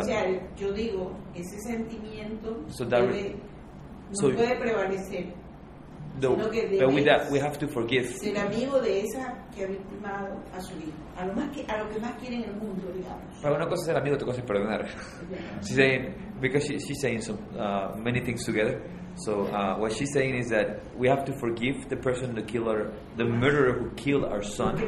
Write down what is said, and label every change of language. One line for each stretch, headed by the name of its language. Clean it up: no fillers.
Spanish: O sea, yo digo, ese sentimiento puede prevalecer.
English: No, but with that, we have to forgive.
Spanish: Ser amigo de esa que ha victimado a su hijo, a lo que más quiere en el mundo, digamos. Para una cosa ser amigo, otra cosa es perdonar.
English: She's saying, because she's saying some many things together. So what she's saying is that we have to forgive the person, the killer, the murderer who killed our son.